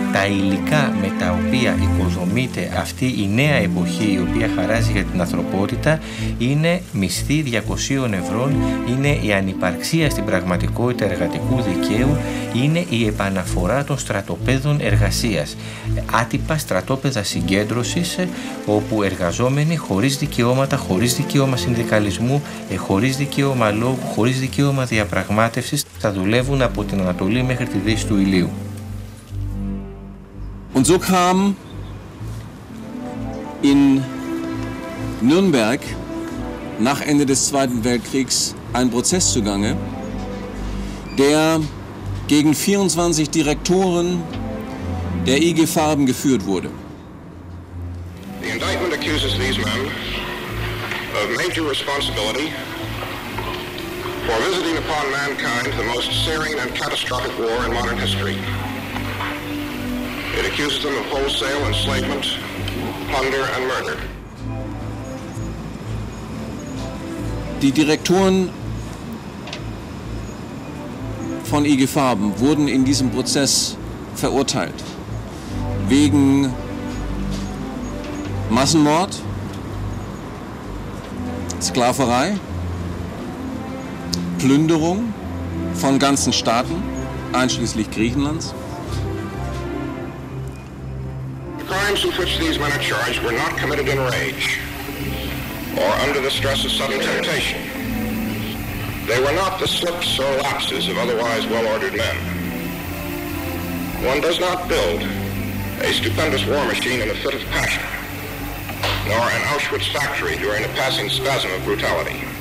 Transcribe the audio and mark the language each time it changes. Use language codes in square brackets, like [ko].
[el] Τα υλικά με τα οποία οικοδομείται αυτή η νέα εποχή η οποία χαράζει για την ανθρωπότητα είναι μισθή 200 ευρώ, είναι η ανυπαρξία στην πραγματικότητα εργατικού δικαίου, είναι η επαναφορά των στρατοπέδων εργασίας. Άτυπα στρατόπεδα συγκέντρωσης όπου εργαζόμενοι χωρίς δικαιώματα, χωρίς δικαίωμα συνδικαλισμού, χωρίς δικαίωμα λόγου, χωρίς δικαίωμα διαπραγμάτευσης θα δουλεύουν από την Ανατολή μέχρι τη Δύση του Ηλίου. [de] Und so kam in Nürnberg nach Ende des Zweiten Weltkriegs ein Prozess zugange, der gegen 24 Direktoren der IG Farben geführt wurde. [en] The indictment accuses these men of major responsibility for visiting upon mankind the most searing and catastrophic war in modern history. It accuses them of wholesale enslavement, plunder and murder. [de] Die Direktoren von IG Farben wurden in diesem Prozess verurteilt wegen Massenmord, Sklaverei, Plünderung von ganzen Staaten, einschließlich Griechenlands. [en] The crimes with which these men are charged were not committed in rage or under the stress of sudden temptation. They were not the slips or lapses of otherwise well-ordered men. One does not build a stupendous war machine in a fit of passion, nor an Auschwitz factory during a passing spasm of brutality.